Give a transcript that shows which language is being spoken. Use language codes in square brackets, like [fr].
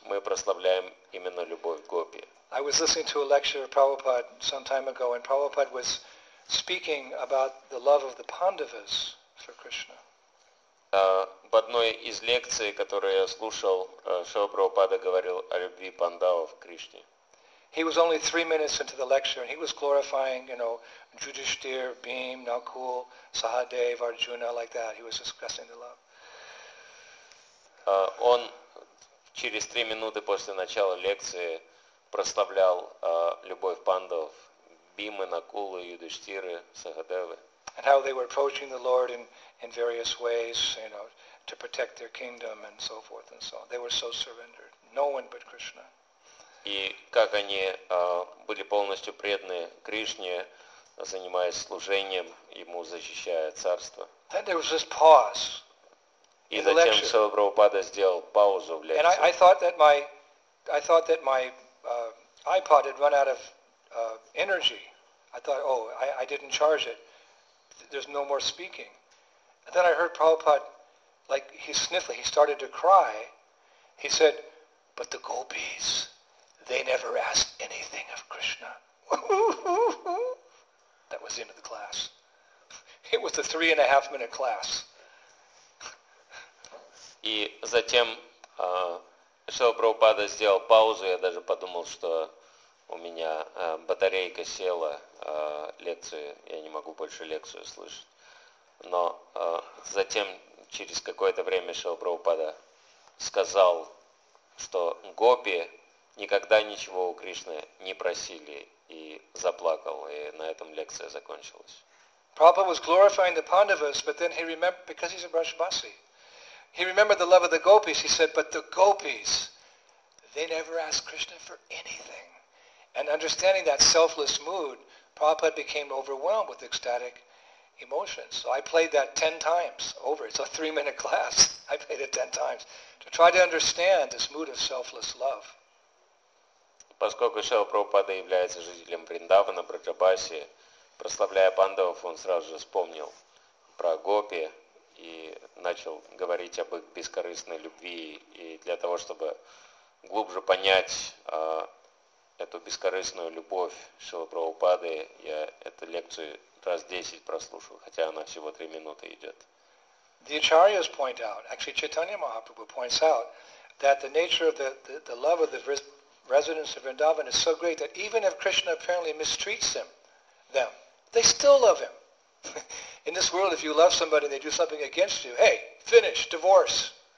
[ru] Мы прославляем именно любовь гопи. [en] I was listening to a lecture of Prabhupada some time ago, and Prabhupada was speaking about the love of the Pandavas for Krishna. [ru] В одной из лекций, которую я слушал, Шрила Прабхупада говорил о любви пандавов к Кришне. [en] He was only 3 minutes into the lecture, and he was glorifying, you know, Yudhishthir, Bhim, Nakul, Sahadev, Arjuna, like that. He was discussing the love. [ru] Он через 3 минуты после начала лекции прославлял любовь пандавов, Бхимы, Накулы, Юдиштиры, Сахадевы. [en] And how they were approaching the Lord in various ways, you know, to protect their kingdom and so forth and so on. They were so surrendered. No one but Krishna. [ru] И как они были полностью преданы Кришне, занимаясь служением, ему защищая царство. [en] Then there was this pause. [ru] И затем Шрила Прабхупада сделал паузу в лекции. [en] And I thought that my iPod had run out of energy. I thought, oh, I didn't charge it. There's no more speaking. And then I heard Prabhupada, like, he sniffled, he started to cry. He said, but the gopis, they never asked anything of Krishna. That was the end of the class. It was a 3.5-minute class. [ru] И затем Шрила Прабхупада сделал паузу, я даже подумал, что у меня батарейка села, лекцию, я не могу больше лекцию слышать. Но затем, через какое-то время, Шрила Прабхупада сказал, что гопи никогда ничего у Кришны не просили, и заплакал, и на этом лекция закончилась. [en] Prabhupada was glorifying the Pandavas, but then he remembered, because he's a Brajbasi, he remembered the love of the gopis. He said, but the gopis, they never asked Krishna for anything. And understanding that selfless mood, Prabhupada became overwhelmed with ecstatic emotions. So I played that 10 times over. It's a 3-minute class. I played it 10 times to try to understand this mood of selfless love. [ru] Поскольку Шрила Прабхупада является жителем Вриндавана, Браджабаси, прославляя пандавов, он сразу же вспомнил про гопи и начал говорить об их бескорыстной любви. И для того, чтобы глубже понять эту бескорыстную любовь Шрилы Прабхупады, я эту лекцию 10 раз прослушал, хотя она всего 3 минуты идет. [en] The Acharyas point out, actually Chaitanya Mahaprabhu points out, that the nature of the love of the residents of Vrindavan is so great that even if Krishna apparently mistreats them, they still love him. In this world, if you love somebody and they do something against you, hey, finish, divorce.